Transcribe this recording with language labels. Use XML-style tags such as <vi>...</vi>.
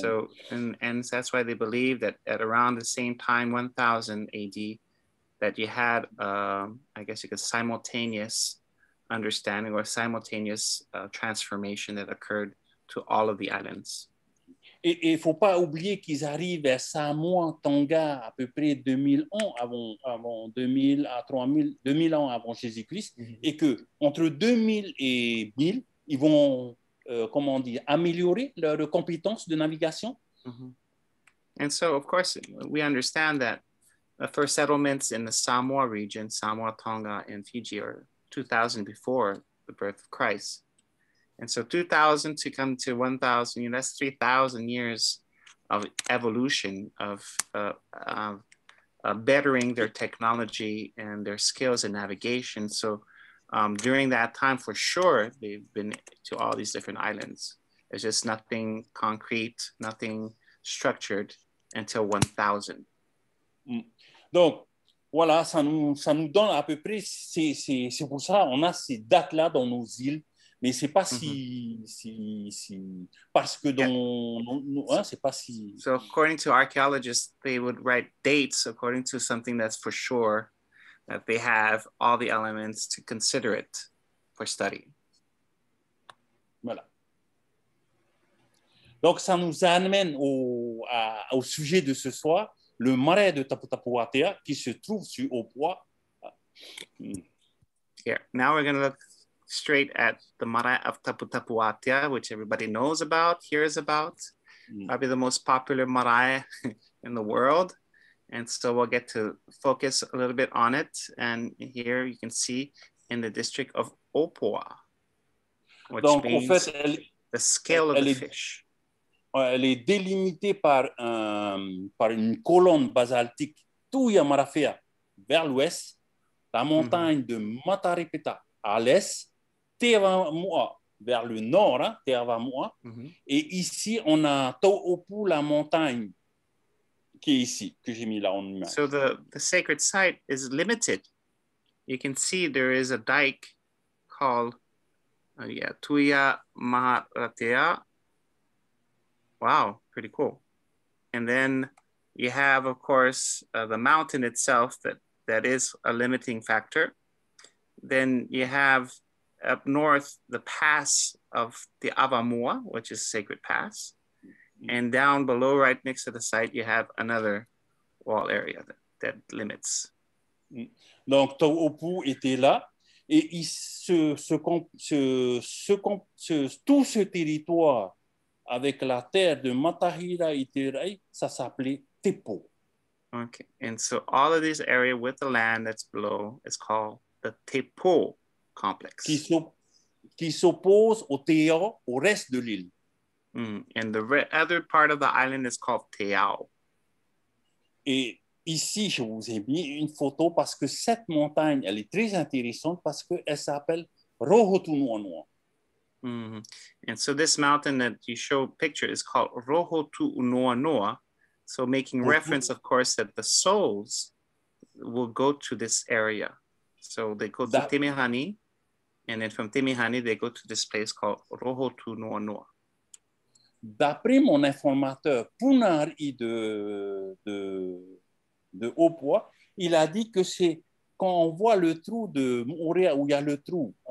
<en>So, and that's why they believe that at around the same time, 1000 AD, that you had, I guess you could simultaneous understanding or simultaneous transformation that occurred to all of the islands.</en> <fr>Et il ne faut pas oublier qu'ils arrivent à Samoa, Tonga, à peu près 2000 ans avant 2000 à 3000, 2000 ans avant Jésus-Christ, mm-hmm. et qu'entre 2000 et 1000, ils vont, comment dire, améliorer leurs compétences de navigation. Mm-hmm.</fr> <en>And so, of course, we understand that the first settlements in the Samoa region, Samoa, Tonga, and Fiji are 2000 before the birth of Christ. And so 2000 to come to 1000, you know, that's 3000 years of evolution of bettering their technology and their skills in navigation. So during that time, for sure, they've been to all these different islands. There's just nothing concrete, nothing structured until 1000.</en> <fr>Donc, voilà, ça nous donne à peu près, c'est pour ça on a ces dates-là dans nos îles. Mais c'est pas si, mm-hmm. si parce que dans yeah. hein, c'est pas si.</fr> <en>So according to archaeologists, they would write dates according to something that's for sure, that they have all the elements to consider it for study.</en> <fr>Voilà. Donc ça nous amène au sujet de ce soir, le marais de Taputapuātea qui se trouve sur au bois.</fr> <en>Here, now we're gonna look straight at the marae of Taputapuātea, which everybody knows about, hears about, probably the most popular marae in the world. And so we'll get to focus a little bit on it. And here you can see in the district of Opoa, which</en> <fr>donc,</fr> <en>means</en> <fr>en fait,</fr> <en>the scale of the fish.</en> <fr>Elle est délimitée par, par une colonne basaltique Tuya Marafea vers l'ouest, la montagne mm-hmm. de Matarepeta à l'est, Tevamoa vers le nord, hein, Tevamoa, mm-hmm. et ici on a Tōʻopu, la montagne qui est ici que j'ai mis là en image.</fr> <en>So the sacred site is limited. You can see there is a dike called Tuya Maratea. Wow, pretty cool. And then you have of course the mountain itself that is a limiting factor. Then you have up north, the pass of the Avamua, which is a sacred pass. And down below, right next to the site, you have another wall area that limits.</en> <fr>Donc, Tōʻopu était là. Et tout ce territoire avec la terre de Matahira et Terai, ça s'appelait Tepo.</fr> <en>Okay, and so all of this area with the land that's below is called the Tepo complex.</en> <fr>Qui s'oppose au Teo, au reste de l'île. Mm.</fr> <en>And the other part of the island is called Teao.</en> <fr>Et ici, je vous ai mis une photo parce que cette montagne, elle est très intéressante parce qu'elle s'appelle Rohotunuanua. Mm-hmm.</fr> <en>And so this mountain that you show picture is called Rohotunuanua. So making reference, of course, that the souls will go to this area. So they go to Temehani, and then from Temehani, they go to this place called Rohotunuanua.</en> <fr>D'après mon informateur Punari de Opoa, il a dit que c'est quand on voit le trou de Moorea où il y a le trou.</fr>